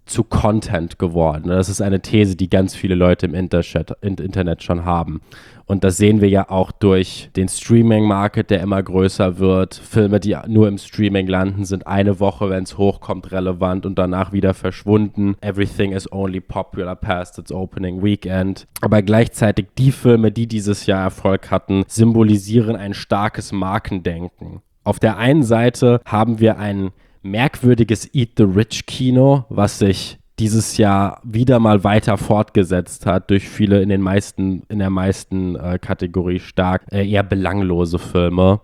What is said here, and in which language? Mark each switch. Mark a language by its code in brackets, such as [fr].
[de] zu Content geworden. Das ist eine These, die ganz viele Leute im Internet schon haben. Und das sehen wir ja auch durch den Streaming-Market, der immer größer wird. Filme, die nur im Streaming landen, sind eine Woche, wenn es hochkommt, relevant und danach wieder verschwunden. [en] Everything is only popular past its opening weekend. [de] Aber gleichzeitig die Filme, die dieses Jahr Erfolg hatten, symbolisieren ein starkes Markendenken. Auf der einen Seite haben wir ein merkwürdiges Eat the Rich Kino, was sich dieses Jahr wieder mal weiter fortgesetzt hat, durch viele in der meisten Kategorie stark eher belanglose Filme.